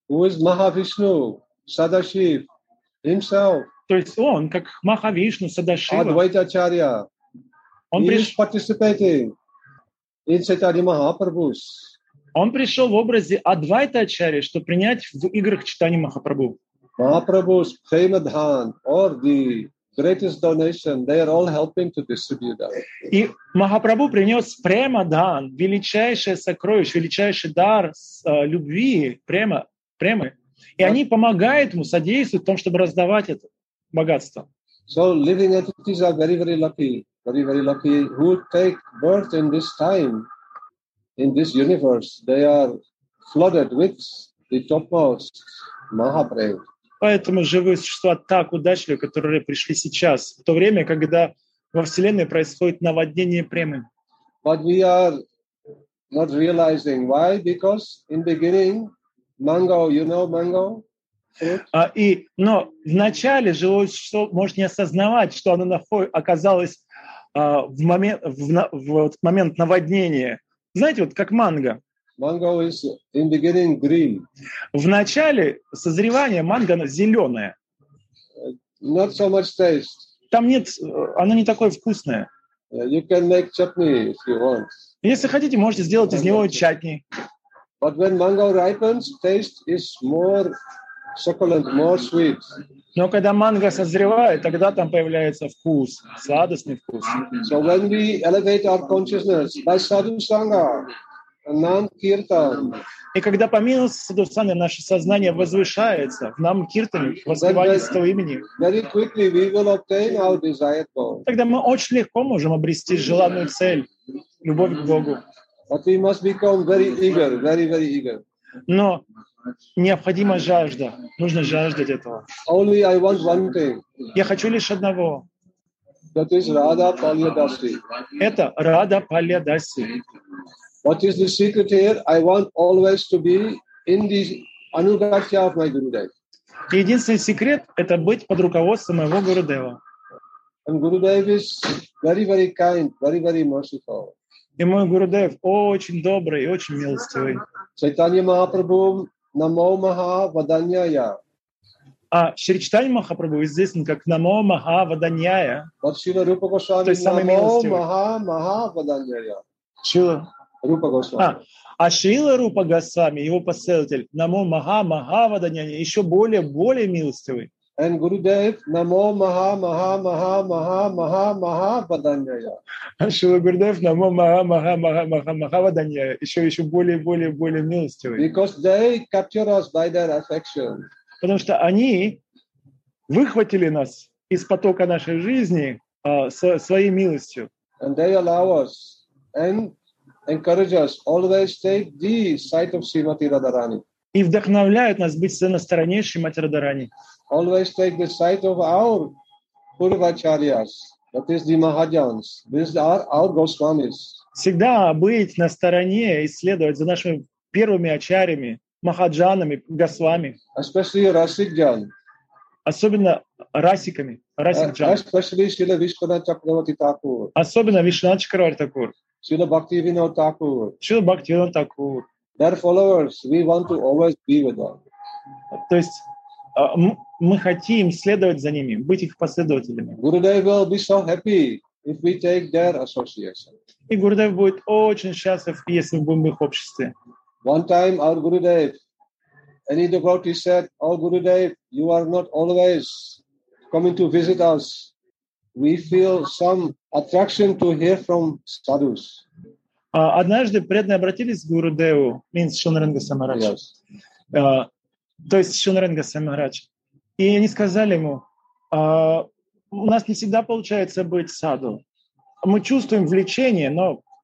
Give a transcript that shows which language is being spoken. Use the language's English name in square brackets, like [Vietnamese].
[English] Who is Mahavishnu, Sadashiv, himself. [Russian] То есть он, как Махавишну, Сада-Шива. Адвайта-Ачарья. Он пришел [English] participating in Chaitanya Mahaprabhu. [Russian] Он пришел в образе Адвайта-Ачарьи, чтобы принять в играх Чайтанья Махапрабху. [English] Mahaprabhu's prema dhan or the greatest donation, they are all helping to distribute that. [Russian] И Махапрабху принес према дан, величайшее сокровище, величайший дар любви, премы. И они помогают ему, содействуют в том, чтобы раздавать это богатство. [English] So living entities are very, very lucky, who take birth in this time, in this universe. They are flooded with the topmost Mahaprema. [Russian] Поэтому живые существа так удачливы, которые пришли сейчас, в то время, когда во Вселенной происходит наводнение премы. [English] But we are not realizing. Why? Because in beginning, mango, you know mango? [Russian] И, но вначале живое существо может не осознавать, что оно оказалось в момент, в момент наводнения. Знаете, вот как манго. [English] Mango is in beginning green. [Russian] В начале созревания манго зеленое. [English] Not so much taste. [Russian] Там нет, оно не такое вкусное. [English] You can make chutney if you want. [Russian] Если хотите, можете сделать из него чатни. [English] But when mango ripens, taste is more succulent, more sweet. [Russian] Но когда манго созревает, тогда там появляется вкус, сладостный вкус. [English] So when we elevate our consciousness by sadhu sangha, nam kirtan. [Russian] И когда по милости садху санга наше сознание возвышается в нам киртане, воспевание своего имени, [English] very quickly we will obtain our desired goal. [Russian] Тогда мы очень легко можем обрести желанную цель, любовь к Богу. [English] But we must become very eager, very, very eager. [Russian] Но необходима жажда. Нужно жаждать этого. [English] Only I want one thing. [Russian] Я хочу лишь одного. [English] That is Radha Palya Dasi. [Russian] Это Radha Palya Dasi. [English] What is the secret here? I want always to be in the anugatya of my Gurudev. [Russian] Единственный секрет — это быть под руководством моего Гурудева. [English] And Gurudev is very, very kind, very, very merciful. [Russian] И мой Гурудев очень добрый и очень милостивый. Чайтанья Махапрабху Намо Маха Ваданьяя. А Шри Чайтанья Махапрабху известен как Намо Маха Ваданьяя. Вот Шрила Рупа Госвами. То есть самый милостивый. Намо Маха Маха Ваданьяя. Шрила. Рупа Госвами. А Шрила Рупа Госвами, его последователь, Намо Маха Маха Ваданьяя, еще более милостивый. [English] And Gurudev, Namo Maha Maha Maha Maha Maha Maha Vadanyaya. [Russian] Шрила Гурудев, Namo Maha Maha Maha Maha Maha Vadanyaya. Еще более милостивый. [English] Because they capture us by their affection. [Russian] Потому что они выхватили нас из потока нашей жизни своей милостью. [English] And they allow us and encourage us always take the side of Srimati Radharani. [Russian] И вдохновляют нас быть на стороне Шримати Радарани. [English] Always take the side of our Purvacharyas, that is the Mahajans. These are our Goswamis. [Russian] Всегда быть на стороне и следовать за нашими первыми ачарьями, Махаджанами, Госвами. [English] Especially Расикджан. [Russian] Особенно Расиками, Расикджан. [English] Especially Srila Vishwanath Chakravarti Thakur. [Russian] Особенно Вишванат Чакраварти Такур. [English] Srila Bhakti Vinod Thakur. Srila Bhakti Vinod Thakur. Their followers, we want to always be with them. [Russian] То есть мы хотим следовать за ними, быть их последователями. [English] Gurudev will be so happy if we take their association. [Russian] И Гурудев будет очень счастлив, если мы будем в их обществе. [English] One time our Gurudev, any devotee said, "Oh Gurudev, you are not always coming to visit us. We feel some attraction to hear from sadhus." [Russian] Однажды преданные обратились к Гурудеву, [English] means [Russian] Шонаренга Самарадж. [English] Yes. [Russian] То есть Шонаренга Самарадж. И они сказали ему, у нас не всегда получается быть саду. Мы чувствуем влечение, но...